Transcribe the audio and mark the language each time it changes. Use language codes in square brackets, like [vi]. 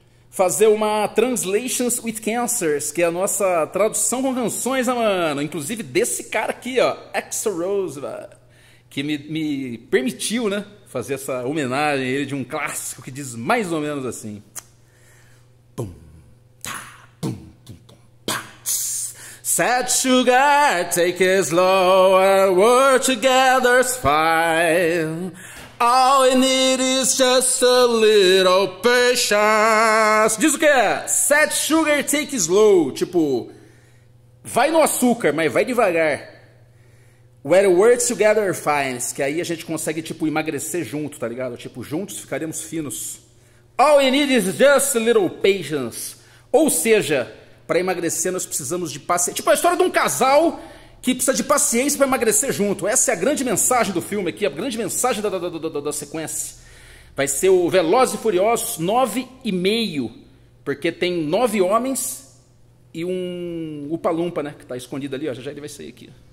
[pt] Fazer uma [en] Translations with Cancers, [pt] que é a nossa tradução com canções, né, mano? Inclusive, desse cara aqui, ó, X-Rose, que me permitiu, né, fazer essa homenagem a ele de um clássico que diz mais ou menos assim. Pum. [en] Sad sugar, take it slow, and we're together's fine. All we need is just a little patience. [pt] Diz o que é? [en] Sad sugar, take it slow. [pt] Tipo, vai no açúcar, mas vai devagar. [en] When we're together, fine. [pt] Que aí a gente consegue, tipo, emagrecer junto, tá ligado? Tipo, juntos ficaremos finos. [en] All we need is just a little patience. [pt] Ou seja... Para emagrecer, nós precisamos de paciência. Tipo, a história de um casal que precisa de paciência para emagrecer junto. Essa é a grande mensagem do filme aqui, a grande mensagem da sequência. Vai ser o Velozes e Furiosos 9,5, porque tem 9 homens e um upa-lumpa, né? Que está escondido ali, ó. Já ele vai sair aqui.